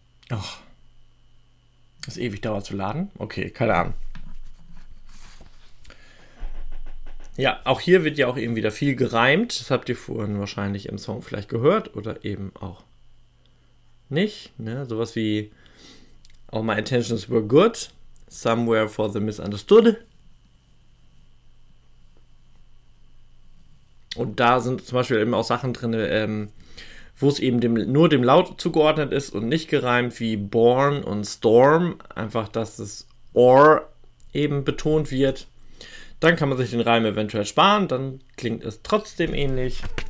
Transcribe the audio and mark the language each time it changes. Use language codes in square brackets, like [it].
[de] Ach. Das ewig dauert zu laden. Okay, keine Ahnung. Ja, auch hier wird ja auch eben wieder viel gereimt. Das habt ihr vorhin wahrscheinlich im Song vielleicht gehört oder eben auch nicht. Ne? [en] Sowas wie All my intentions were good, somewhere for the misunderstood. [de] Und da sind zum Beispiel eben auch Sachen drin, wo es eben nur dem Laut zugeordnet ist und nicht gereimt, wie born und storm. Einfach, dass das or eben betont wird. Dann kann man sich den Reim eventuell sparen, dann klingt es trotzdem ähnlich.